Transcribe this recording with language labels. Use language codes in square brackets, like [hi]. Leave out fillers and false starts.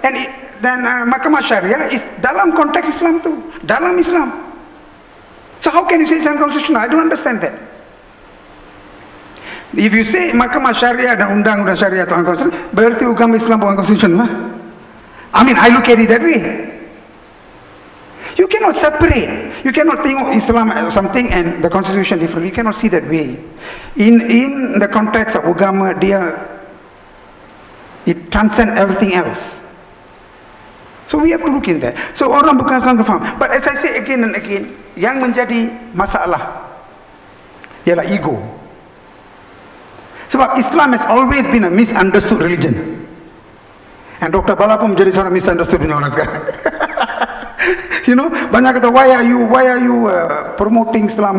[ms] And dan mahkamah syariah is dalam konteks Islam tu, dalam Islam. [en] So how can you say it's unconstitutional? I don't understand that. If you say [ms] mahkamah syariah dan undang-undang syariah itu unconstitutional, berarti agama Islam bukan konstitusional, huh? [en] I mean, I look at it that way. You cannot separate. You cannot think of Islam as something and the constitution different. You cannot see that way. In the context of [ms] agama, dia [en] it transcends everything else. So we have to look in that. [ms] So orang bukan Islam faham. [en] But as I say again and again, [ms] yang menjadi masalah ialah ego. Sebab [en] Islam has always been a misunderstood religion. And Dr. [ms] Bala pun menjadi seorang [en] misunderstood in [ms] orang sekarang. [en] You know, [ms] banyak kata, [en] why are you promoting Islam?